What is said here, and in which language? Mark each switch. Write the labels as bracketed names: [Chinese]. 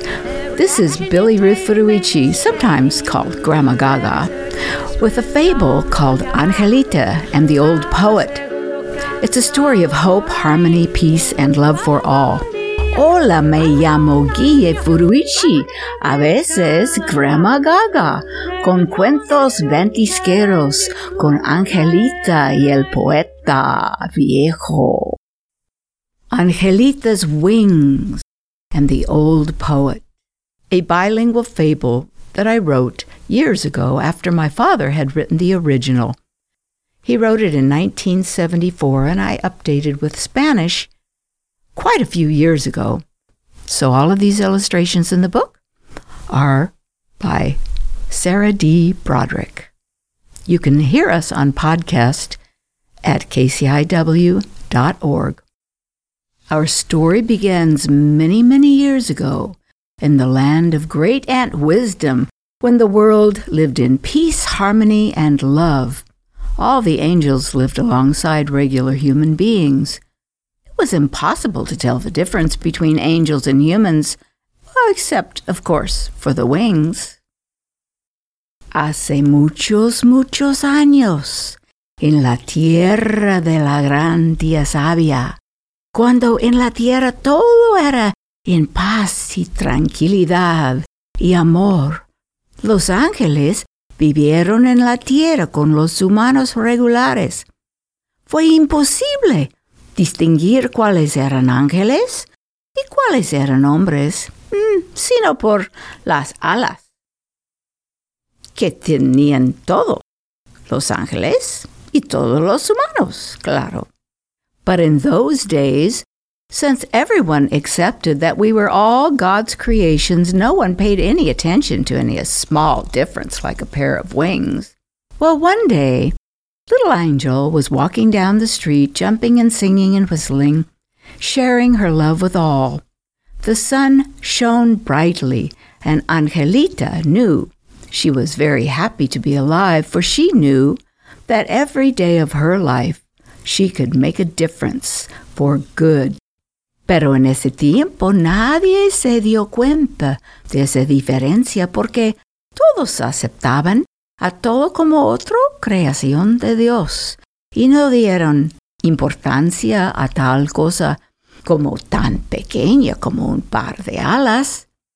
[English] This is Billy Ruth Federici, sometimes called Grandma Gaga, with a fable called Angelita and the Old Poet. It's a story of hope, harmony, peace, and love for all. [Spanish] Hola, me llamo Guille Federici, a veces Grandma Gaga, con cuentos ventisqueros, con Angelita y el poeta viejo. [English] Angelita's Wings and the Old Poet, a bilingual fable that I wrote years ago after my father had written the original. He wrote it in 1974, and I updated with Spanish quite a few years ago. So all of these illustrations in the book are by Sarah D. Broderick. You can hear us on podcast at kciw.org. Our story begins many, many years ago in the land of Great Aunt Wisdom, when the world lived in peace, harmony, and love. All the angels lived alongside regular human beings. It was impossible to tell the difference between angels and humans, except, of course, for the wings. [Spanish] Hace muchos, muchos años, en la tierra de la gran tía sabia, cuando en la tierra todo era en paz y tranquilidad y amor, los ángeles vivieron en la tierra con los humanos regulares. Fue imposible distinguir cuáles eran ángeles y cuáles eran hombres, sino por las alas que tenían todos los ángeles y todos los humanos, claro. [English] But in those days, since everyone accepted that we were all God's creations, no one paid any attention to any small difference like a pair of wings. Well, one day, little Angel was walking down the street, jumping and singing and whistling, sharing her love with all. The sun shone brightly, and Angelita knew she was very happy to be alive, for she knew that every day of her life, she could make a difference for good. [Spanish] Pero en ese tiempo nadie se dio cuenta de esa diferencia porque todos aceptaban a todo como otra creación de Dios y no dieron importancia a tal cosa como tan pequeña como un par de alas.